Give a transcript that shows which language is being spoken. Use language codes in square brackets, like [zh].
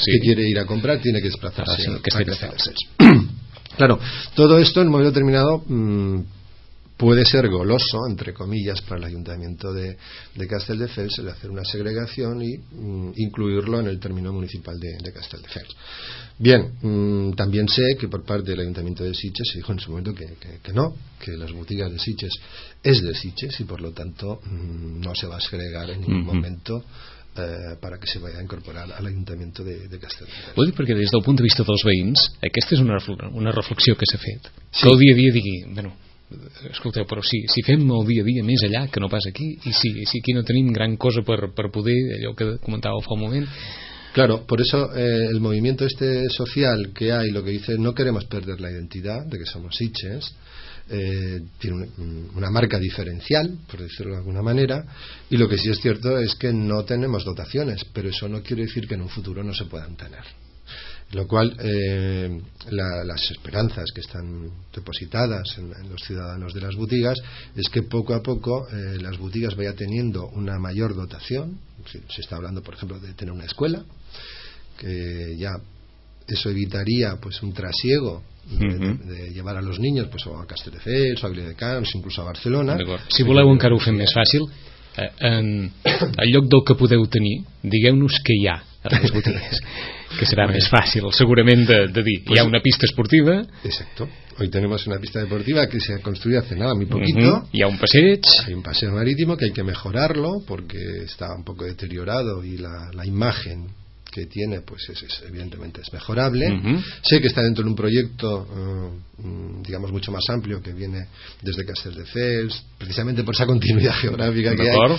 [es] que quiere ir a comprar, tiene que desplazarse a Castelldefels. Claro, todo esto en un momento determinado puede ser goloso, entre comillas, para el Ayuntamiento de Castelldefels, el hacer una segregación y incluirlo en el término municipal de Castelldefels. Bien, también sé que por parte del Ayuntamiento de Sitges se dijo en su momento que no, que las boutiques de Sitges es de Sitges y por lo tanto no se va a segregar en ningún momento para que se vaya a incorporar a l'Ajuntament de Castelldefels. [ca] Ho dic perquè des del punt de vista dels veïns, aquesta és una reflexió que s'ha fet. Sí. Que el dia a dia digui, bueno, escolteu, però si fem el dia a dia més allà que no pas aquí, i si aquí no tenim gran cosa per poder, allò que comentàveu fa un moment... [es] Claro, por eso el movimiento este social que hay, lo que dice, no queremos perder la identidad de que somos Sitges, tiene una marca diferencial, por decirlo de alguna manera, y lo que sí es cierto es que no tenemos dotaciones, pero eso no quiere decir que en un futuro no se puedan tener. Lo cual, las esperanzas que están depositadas en los ciudadanos de las boutiques es que poco a poco las boutiques vaya teniendo una mayor dotación. Se está hablando, por ejemplo, de tener una escuela, que ya eso evitaría pues un trasiego de llevar a los niños pues a Castelldefels, a Viladecans, incluso a Barcelona. [ca] Si voleu encara ho fem més fàcil, en lloc del que podeu tenir, digueu-nos que hi ha a les boutiques. Que serà més fàcil, segurament, de dir. Pues, hi ha una pista esportiva. [es] Exacto. Hoy tenemos una pista deportiva que se ha construido hace nada, muy poquito. [ca] Hi ha un passeig. [es] Hay un paseo marítimo que hay que mejorarlo porque está un poco deteriorado y la imagen que tiene, pues, es evidentemente es mejorable. Sé que está dentro de un proyecto, digamos, mucho más amplio que viene desde Castelldefels, precisamente por esa continuidad geográfica que hay.